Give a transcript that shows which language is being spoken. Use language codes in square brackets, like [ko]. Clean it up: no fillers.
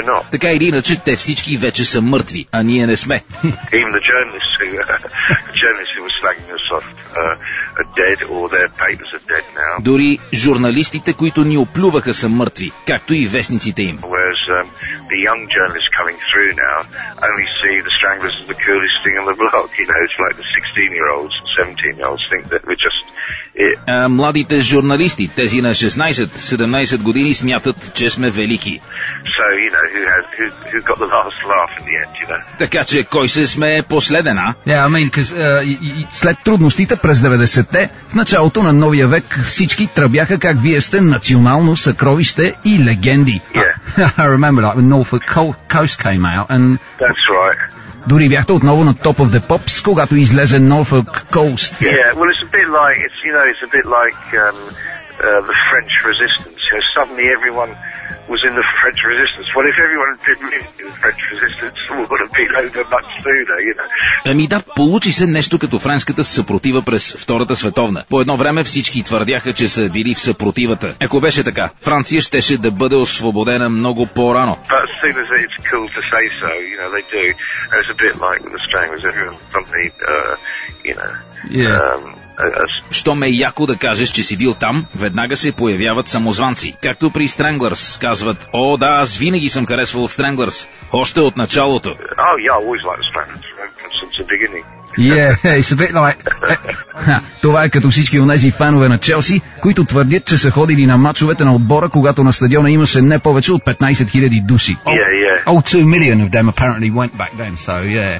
[bg] Така или иначе, те всички вече са мъртви, а ние не сме. [en] Even the journalists who were slagging us off are dead or their papers are dead now. [bg] Дори журналистите, които ни оплюваха, са мъртви, както и вестниците им. [en] Whereas the young journalists coming through now only see the Stranglers as the coolest thing on the block. You know, it's like the 16-year-olds, 17-year-olds think that we're just... [bg] Младите журналисти, тези на 16-17 години, смятат, че сме велики. [en] So, you know, who got the last laugh in the end, you know? [bg] Така че, кой се смее последен, а? [en] Yeah, I mean, because [bg] след трудностите през 90-те, в началото на новия век, всички тръбяха как вие сте национално съкровище и легенди. [en] Yeah. I remember that when Norfolk Coast came out and... That's right. [bg] Дори бяхте отново на Top of the Pops, когато излезе Norfolk Coast. [en] Yeah, well, it's a bit like, it's, you know, it's a bit like the French Resistance. You know, suddenly everyone was in the French Resistance. Well, if everyone did live in the French Resistance, we would have been over much sooner, you know. [bg] Ами да, получи се нещо като френската съпротива през Втората световна. По едно време всички твърдяха, че са били в съпротивата. Ако беше така, Франция щеше да бъде освободена много по-рано. [en] But as soon as it's cool to say so, you know, they do. And it's a bit like with the Stranglers, everyone suddenly, you know... Yeah. [bg] Щом е яко да кажеш, че си бил там, веднага се появяват самозванци. Както при Stranglers казват, о да, аз винаги съм харесвал Stranglers, още от началото. [en] Oh, yeah, I always liked the Stranglers, since the beginning. Yeah, it's a bit like... [bg] Това е като всички онези фенове на Челси, които твърдят, че са ходили на мачовете на отбора, когато на стадиона имаше не повече от 15 000 души. [en] Yeah. Oh, 2 million of them apparently went back then, so yeah.